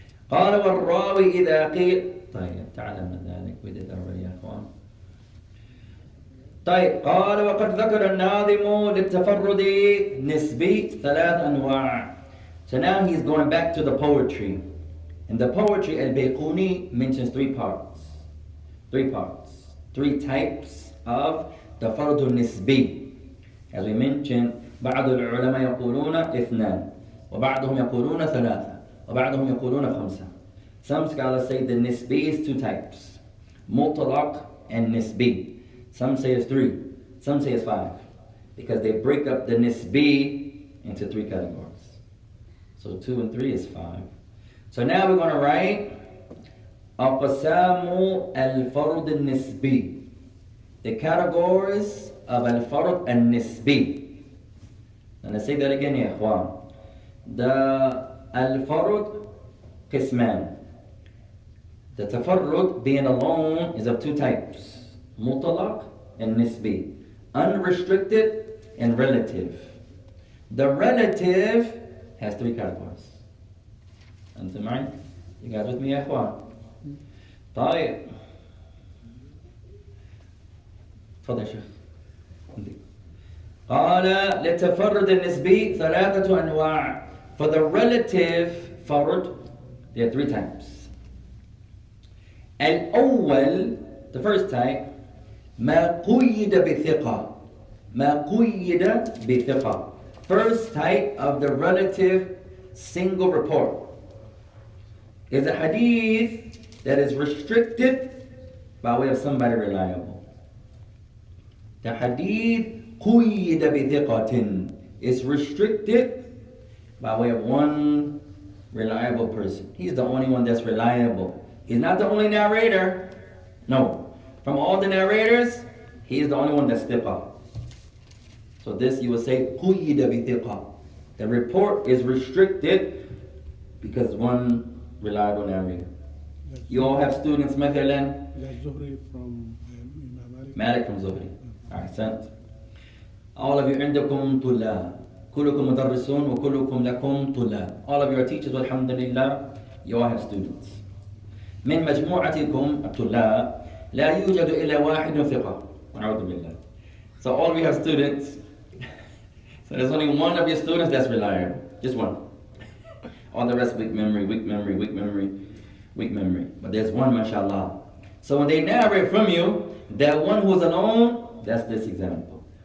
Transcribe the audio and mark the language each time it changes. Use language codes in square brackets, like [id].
[ar] قال والراوي إذا قيل طيب تعلم ذلك [en] we did already [ar] يا أخوان. طيب قال وقد ذكر الناظم للتفرد نسبي ثلاث أنواع. [en] So now he's going back to the poetry. And the poetry, Al-Bayquni mentions three parts. Three types of the Fardu Nisbi. As we mentioned, [ar] بعض العلماء يقولون اثنان وبعضهم يقولون ثلاثة وبعضهم يقولون خمسة. [en] Some scholars say the Nisbi is two types. Mutlaq and Nisbi. Some say it's three. Some say it's five. Because they break up the Nisbi into three categories. So 2 and 3 is 5. So now we're going to write [ar] أَقْسَامُ الْفَرُدِ النِّسْبِ. [en] The categories of الْفَرُدِ النِّسْبِ. And let's say that again, [ar] يا إخوان. [en] The الْفَرُدِ قِسْمَان. The تَفَرُّد being alone is of two types. مُطَلَق and نِسْبِ. Unrestricted and relative. The relative has three categories. Until mine? You guys with me, ya ikhwan? طيب. [ar] تفضل شيخ. قال للتفرد النسبي ثلاثة أنواع. [en] For the relative فرد, there are three types. [ar] الأول, [en] the first type, [ar] ما قيد بثقة. ما قيد بثقة. [en] First type of the relative single report is a hadith that is restricted by way of somebody reliable. The hadith قيد بثقةٍ is restricted by way of one reliable person. He's the only one that's reliable. He's not the only narrator. No. From all the narrators, he's the only one that's thiqa. So this you will say [ar] قيد بثقة. [en] The report is restricted because one reliable narrator. You all have students, Mathalan? Zuhri from Imam Malik. Malik from Zuhri. Yeah. Alright, sent. All of you [ar] عندكم طلاب. كلكم مدرسون وكلكم لكم طلاب. [en] All of you are teachers, والحمد لله, you all have students. [ar] من مجموعتكم الطلاب لا يوجد إلا واحد ثقة. ونعوذ بالله. [en] So all we have students, so there's only one of your students that's reliable. Just one. All the rest weak memory, weak memory, weak memory, weak memory. But there's one, mashallah. So when they narrate from you, that one who's alone, that's this example.